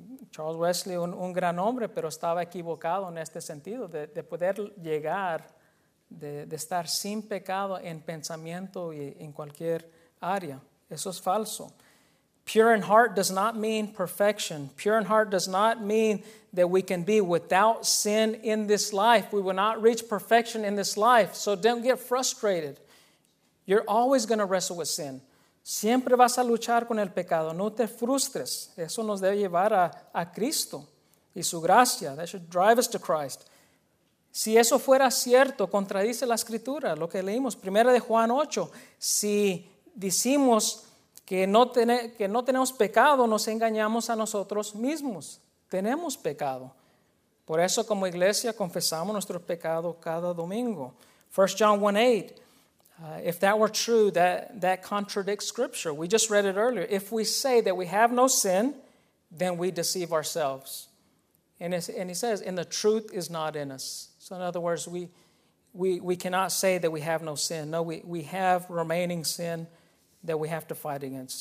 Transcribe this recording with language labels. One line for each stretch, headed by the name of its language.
Spanish: Charles Wesley, un gran hombre, pero estaba equivocado en este sentido, de poder llegar, de estar sin pecado en pensamiento y en cualquier área. Eso es falso.
English: Pure in heart does not mean perfection. Pure in heart does not mean that we can be without sin in this life. We will not reach perfection in this life. So don't get frustrated. You're always going to wrestle with sin.
Spanish: Siempre vas a luchar con el pecado. No te frustres. Eso nos debe llevar a Cristo y su gracia.
English: That should drive us to Christ.
Spanish: Si eso fuera cierto, contradice la Escritura, lo que leímos. Primera de Juan 8. Si decimos que no tenemos pecado, nos engañamos a nosotros mismos. Tenemos pecado. Por eso como iglesia confesamos nuestro pecado cada domingo.
English: 1 John 1:8. If that were true, that contradicts Scripture. We just read it earlier. If we say that we have no sin, then we deceive ourselves. And he says, and the truth is not in us. So in other words, we cannot say that we have no sin. No, we have remaining sin that we have to fight against.